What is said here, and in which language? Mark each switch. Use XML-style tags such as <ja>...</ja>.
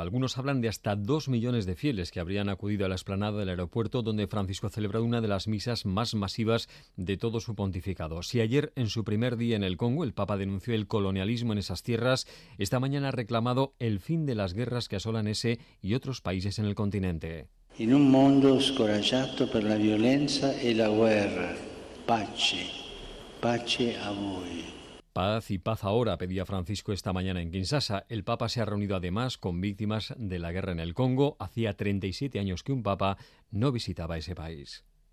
<es>Algunos hablan de hasta 2 millones de fieles que habrían acudido a la explanada del aeropuerto donde Francisco ha celebrado una de las misas más masivas de todo su pontificado. Si ayer, en su primer día en el Congo, el Papa denunció el colonialismo en esas tierras, esta mañana ha reclamado el fin de las guerras que asolan ese y otros países en el continente.</es> <it>In un mondo scoraggiato per la violenza e la guerra, pace, pace a voi.</it> <es>Paz y paz ahora, pedía Francisco esta mañana en Kinshasa. El Papa se ha reunido además con víctimas de la guerra en el Congo. Hacía 37 años que un Papa no visitaba ese país.</es>